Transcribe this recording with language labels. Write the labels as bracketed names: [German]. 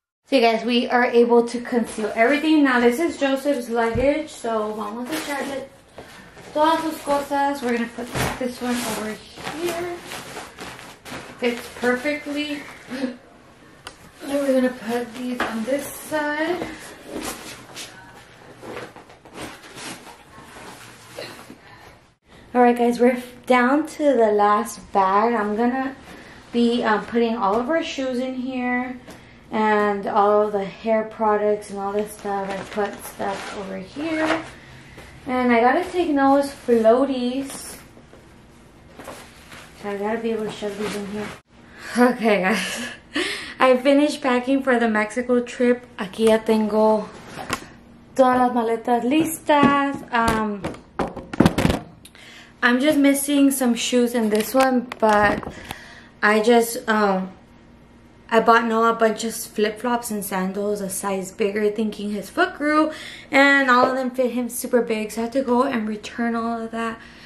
[English] So you guys, we are able to conceal everything. Now this is Joseph's luggage. [Spanish] So vamos a echar todas sus cosas. [English] We're gonna put this one over here. Fits perfectly. And we're gonna put these on this side. All right guys, we're down to the last bag. I'm gonna be putting all of our shoes in here. And all of the hair products and all this stuff. I put stuff over here. And I gotta take those floaties. So I gotta be able to shove these in here. Okay, guys. I finished packing for the Mexico trip. [Spanish] Aquí ya tengo todas las maletas listas. [English] I'm just missing some shoes in this one, but I just, I bought Noah a bunch of flip-flops and sandals, a size bigger, thinking his foot grew, and all of them fit him super big, so I have to go and return all of that.